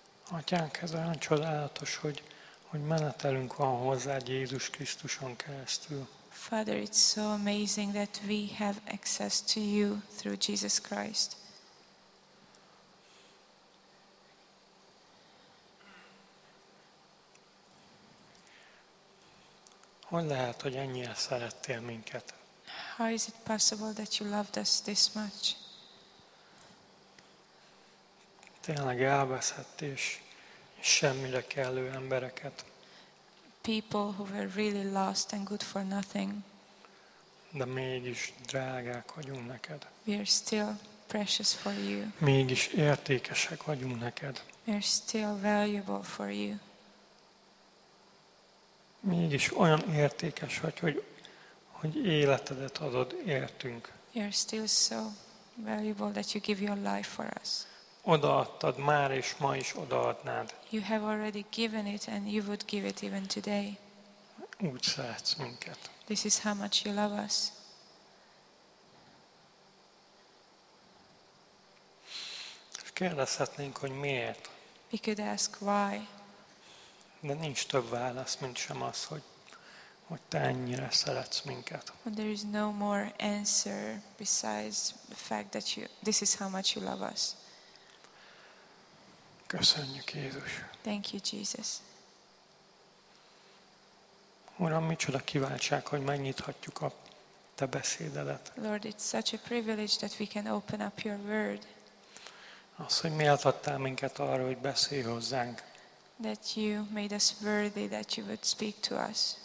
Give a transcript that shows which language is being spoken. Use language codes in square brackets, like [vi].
[hu] Atyánk, ez olyan csodálatos, hogy menetelünk van hozzád Jézus Krisztuson keresztül. [en] Father, it's so amazing that we have access to you through Jesus Christ. [hu] Hogy lehet, hogy ennyire szerettél minket? [en] How is it possible that you loved us this much? [hu] Tényleg elveszett és semmire kellő embereket. [en] People who were really lost and good for nothing. [hu] De mégis drágák vagyunk neked. [en] We are still precious for you. [hu] Mégis értékesek vagyunk neked. [en] We are still valuable for you. [hu] Mégis olyan értékes vagy, hogy hogy életedet adod értünk. [en] You're still so valuable that you give your life for us. [hu] Odaadtad már és ma is odaadnád. [en] You have already given it and you would give it even today. [hu] Úgy szeretsz minket. [en] This is how much you love us. [hu] És kérdezhetnénk, hogy miért? [en] We could ask why. [hu] De nincs több válasz, mint sem az, hogy te ennyire szeretsz minket. [en] But there is no more answer besides the fact that this is how much you love us. [hu] Köszönjük, Jézus. [en] Thank you, Jesus. [hu] Uram, micsoda kiváltság, hogy megnyithatjuk a te beszédedet. [en] Lord, it's such a privilege that we can open up your word. [hu] Az, hogy méltattál minket arra, hogy beszélj hozzánk. [en] That you made us worthy that you would speak to us.